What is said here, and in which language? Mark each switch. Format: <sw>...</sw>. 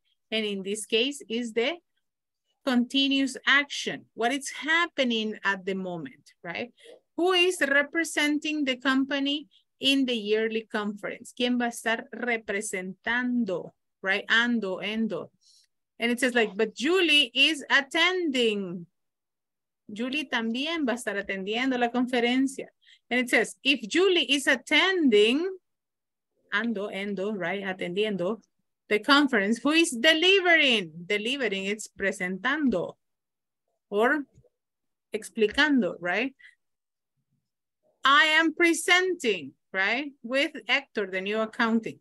<en>And in this case is the continuous action, what is happening at the moment, right? Who is representing the company in the yearly conference?</en> <es>¿Quién va a estar representando, right? Ando, endo.</es> <en>And it says like, but Julie is attending.</en> <es>Julie también va a estar atendiendo la conferencia.</es> <en>And it says, if Julie is attending, ando, endo, right? Atendiendo the conference, who is delivering? Delivering, it's presentando or explicando, right? I am presenting, right? With Hector, the new accountant.</en>